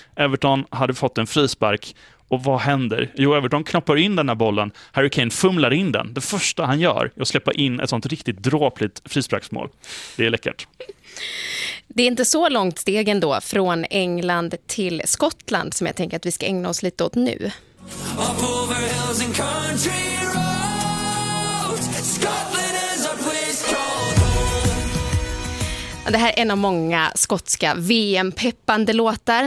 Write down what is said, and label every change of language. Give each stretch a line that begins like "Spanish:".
Swedish: Everton hade fått en frispark. Och vad händer? Jo, Everton knoppar in den här bollen. Harry Kane fumlar in den. Det första han gör är att släppa in ett sånt riktigt dråpligt frisparksmål. Det är läckert. Det är inte så långt steg ändå från England till Skottland som jag tänker att vi ska ägna oss lite åt nu.
English: Up over hills and country roads, Scotland.
Swedish: Det här är en av många skotska VM-peppande låtar.